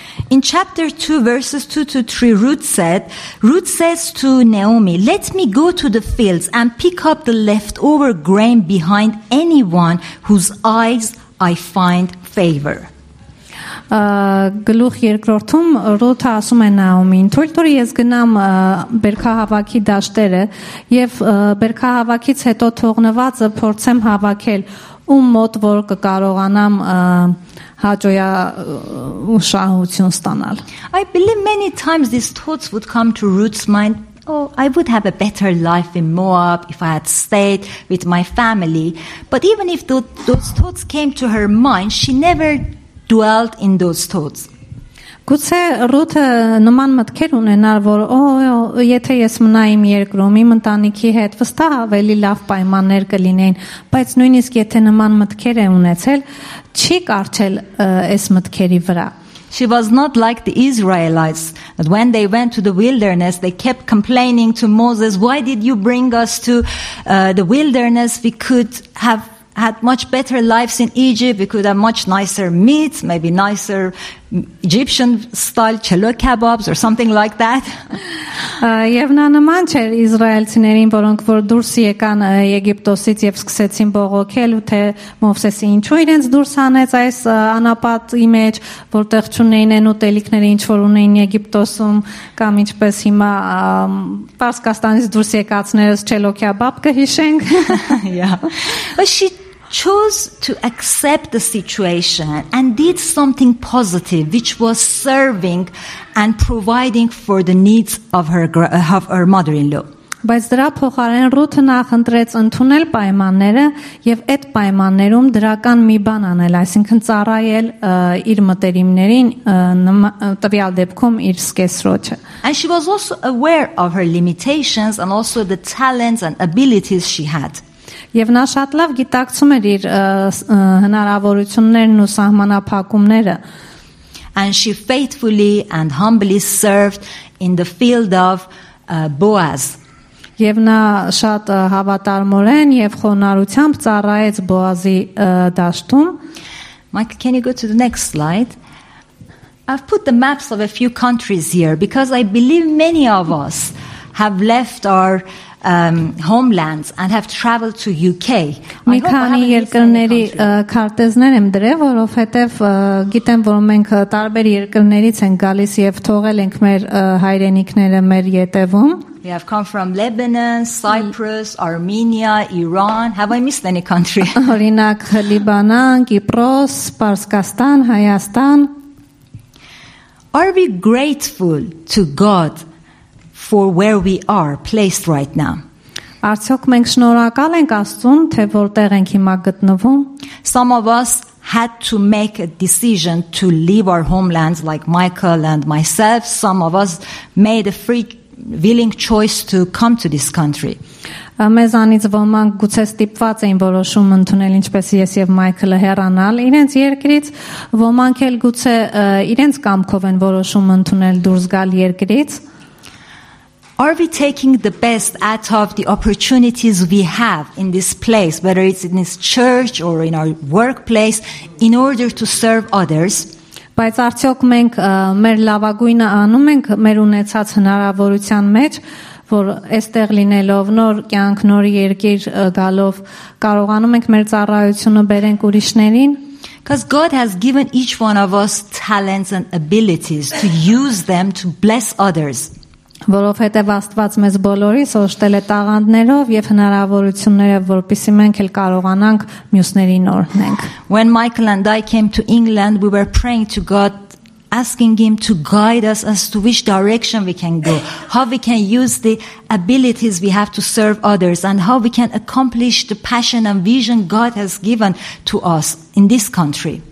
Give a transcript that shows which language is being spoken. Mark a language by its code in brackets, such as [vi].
[en] In chapter 2, verses 2 to 3, Ruth says to Naomi, "Let me go to the fields and pick up the leftover grain behind anyone whose eyes I find favor." [hy] Գլուխ երկրորդում Ռութը ասում է Նաոմին. «Թույլ տուր ես գնամ բերքահավաքի դաշտերը եւ բերքահավաքից հետո թողնվածը փորձեմ հավաքել, ում մոտ որ կկարողանամ հաջոյա ուշահություն ստանալ»։ [en] I believe many times these thoughts would come to Ruth's mind. Oh, I would have a better life in Moab if I had stayed with my family. But even if those thoughts came to her mind, she never dwelt in those thoughts. [hy] Գուցե Ռութը նման մտքեր ունենար, որ եթե ես մնայիմ երկրում իմ ընտանիքի հետ, վստահ ավելի լավ պայմաններ կլինեին, բայց նույնիսկ եթե նման մտքեր է ունեցել, չի կարչել այս մտքերի վրա։ [en] She was not like the Israelites, that when they went to the wilderness, they kept complaining to Moses, "Why did you bring us to the wilderness? We could have had much better lives in Egypt, we could have much nicer meat, maybe nicer Egyptian style chelo kebabs or something like that. [hy] Եվ նա նման չէր իսրայելցիներին, որոնք որ դուրս եկան Եգիպտոսից եւ սկսեցին բողոքել, թե Մովսեսը ինչու իրենց դուրս հանեց այս անապատի մեջ, որտեղ չունեին այն ուտելիքները, ինչ որ ունեին Եգիպտոսում, կամ ինչպես հիմա Պարսկաստանից դուրս եկածներս չելո կեբաբ կհիշենք. [en] Yeah. Chose to accept the situation and did something positive, which was serving and providing for the needs of her mother-in-law. [hy] Բայց դրա փոխարեն Ռութը նախ ընտրեց ընդունել պայմանները եւ այդ պայմաններում դրական մի բան անել, այսինքն ծառայել իր մտերիմներին տվյալ դեպքում իր սկեսրոջը. [en] And she was also aware of her limitations and also the talents and abilities she had. [hy] Եվ նա շատ լավ գիտակցում էր իր հնարավորություններն ու սահմանափակումները. [en] And she faithfully and humbly served in the field of Boaz. [hy] Եվ նա շատ հավատարմորեն եւ խոնարհությամբ ծառայեց Բոազի դաշտում. [en] Mike, can you go to the next slide? I've put the maps of a few countries here because I believe many of us have left our homelands and have traveled to UK. [hy] Մի քանի երկրների քարտեզներ եմ դրել, որովհետև գիտեմ, որ մենք տարբեր երկրներից ենք գալիս եւ թողել ենք մեր հայրենիքները մեր ետևում. [en] We have come from Lebanon, Cyprus, Armenia, Iran. Have I missed any country? [hy] Օրինակ Լիբանան, Կիպրոս, Պարսկաստան, Հայաստան. [en] Are we grateful to God for where we are placed right now? [hy] Արդյոք մենք շնորհակալ ենք Աստծուն, թե որտեղ ենք հիմա գտնվում? [en] Some of us had to make a decision to leave our homelands, like Michael and myself. Some of us made a free willing choice to come to this country. [hy] Մեզանից ոմանք գուցե ստիպված էին որոշում ընդունել, ինչպես ես եւ Մայքլը, հեռանալ իրենց երկրից, ոմանք էլ գուցե իրենց կամքով են որոշում ընդունել դուրս գալ երկրից. [en] Are we taking the best out of the opportunities we have in this place, whether it's in this church or in our workplace, in order to serve others? [hy] Բայց արդյոք մենք մեր լավագույնը անում ենք մեր ունեցած հնարավորության մեջ, որ այստեղ լինելով նոր կյանք, նոր երկիր գալով կարողանում ենք մեր ծառայությունը բերենք ուրիշներին? [en] Because God has given each one of us talents and abilities to use them to bless others. [hy] Որովհետև Աստված մեզ բոլորիս օժտել է տաղանդներով եւ հնարավորություններով, որպեսզի մենք էլ կարողանանք մյուսներին օրհնենք։ [en] When Michael and I came to England, we were praying to God, asking him to guide us as to which direction we can go, how we can use the abilities we have to serve others, and how we can accomplish the passion and vision God has given to us in this country.